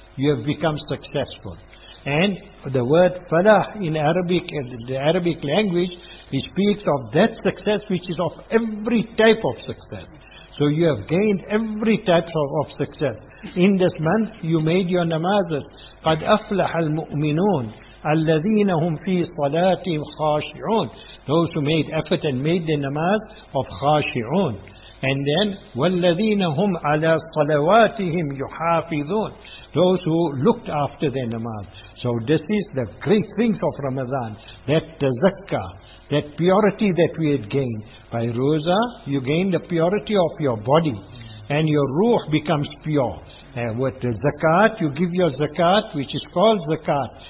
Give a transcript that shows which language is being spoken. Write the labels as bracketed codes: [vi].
[en] You have become successful. And the word falah in Arabic, in the Arabic language, it speaks of that success which is of every type of success. So you have gained every type of success. In this month, you made your namazes. [ar] قَدْ أَفْلَحَ الْمُؤْمِنُونَ. الَّذِينَ هُمْ فِي صَلَاتِهِمْ خَاشِعُونَ. [en] Those who made effort and made the namaz of خاشعون. And then, [ar] وَالَّذِينَ هُمْ عَلَى صَلَوَاتِهِمْ يُحَافِظُونَ. [en] Those who looked after their namaz. So this is the great things of Ramadan. That tazakkah, that purity that we had gained. By roza, you gain the purity of your body. And your ruh becomes pure. And with the zakat, you give your zakat, which is called zakat.